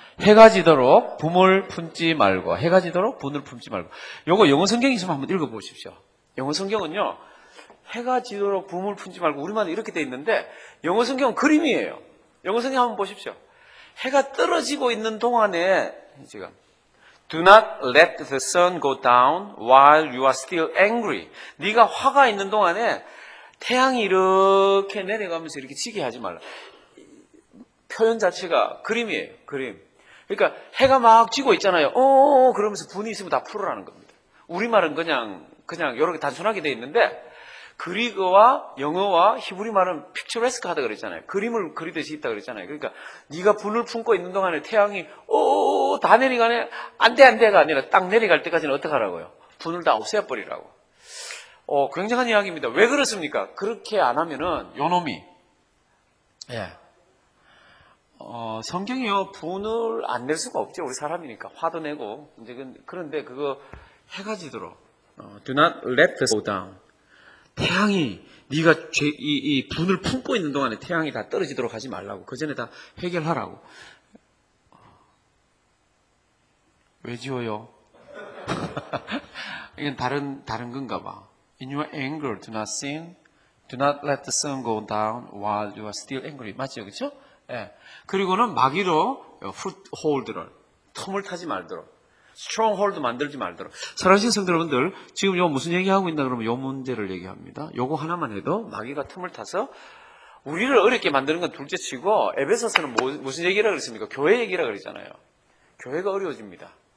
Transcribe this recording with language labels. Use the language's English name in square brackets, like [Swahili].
[Korean] 해가 지도록 분을 품지 말고, 해가 지도록 분을 품지 말고. 요거 영어성경 있으면 한번 읽어보십시오. 영어성경은요, 해가 지도록 분을 품지 말고, 우리만 이렇게 돼 있는데, 영어성경은 그림이에요. 영어성경 한번 보십시오. 해가 떨어지고 있는 동안에, 지금. [English] Do not let the sun go down while you are still angry. [Korean] 네가 화가 있는 동안에 태양이 이렇게 내려가면서 이렇게 지게 하지 말라. 표현 자체가 그림이에요. 그림. 그러니까 해가 막 지고 있잖아요. 그러면서 분이 있으면 다 풀어라는 겁니다. 우리말은 그냥 이렇게 단순하게 돼 있는데 그리고와 영어와 히브리 말은 picturesque하다 그랬잖아요. 그림을 그리듯이 있다 그랬잖아요. 그러니까 네가 분을 품고 있는 동안에 태양이 다 내려가네. 안 돼가 아니라 딱 내려갈 때까지는 어떡하라고요. 분을 다 없애버리라고. 굉장한 이야기입니다. 왜 그렇습니까? 그렇게 안 하면은 요놈이 예. 성경이요. 분을 안 낼 수가 없죠. 우리 사람이니까. 화도 내고. 이제 그런데 그거 해가 지도록 [English] Do not let the go down. [Korean] 태양이 네가 이 분을 품고 있는 동안에 태양이 다 떨어지도록 하지 말라고. 그 전에 다 해결하라고. 왜 지워요? 이건 다른 건가 봐. [English] In your anger, do not sin. Do not let the sun go down while you are still angry. [Korean] 맞죠? 그쵸? 예. 그리고는 마귀로 foothold를, 틈을 타지 말도록. Stronghold 만들지 말도록. 사랑하시는 성도 여러분들, 지금 요 무슨 얘기하고 있나 그러면 요 문제를 얘기합니다. 요거 하나만 해도 마귀가 틈을 타서 우리를 어렵게 만드는 건 둘째 치고, 에베소서는 무슨 얘기라 그랬습니까? 교회 얘기라 그랬잖아요. 교회가 어려워집니다.